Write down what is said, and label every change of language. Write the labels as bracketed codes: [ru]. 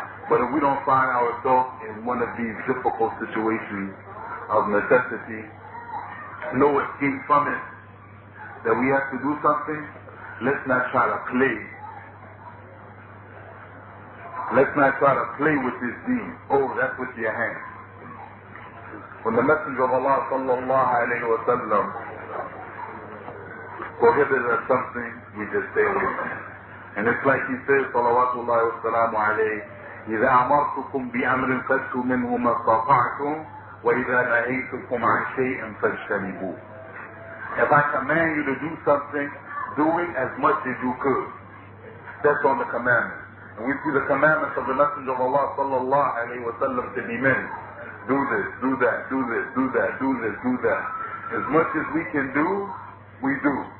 [en] But if we don't find ourselves in one of these difficult situations of necessity, no escape from it, that we have to do something, let's not try to play. Let's not try to play with this deen. Oh, that's with your hand. When the Messenger of Allah sallallahu alayhi wa sallam prohibited us something, we just stay away from it. And it's like he says, salawatullahi wa salamu alayhi, [ar] إِذَا أَمَرْتُكُمْ بِأَمْرٍ فَاتُّوا مِنْهُ مَا اسْتَطَعْتُمْ وَإِذَا نَهَيْتُكُمْ عَنْ شَيْءٍ فَاجْتَنِبُوا. [en] If I command you to do something, do it as much as you could. That's on the commandments. And we see the commandments of the Messenger of Allah sallallahu alayhi wa sallam to be many. Do this, do that, do this, do that, do this, do that. As much as we can do, we do.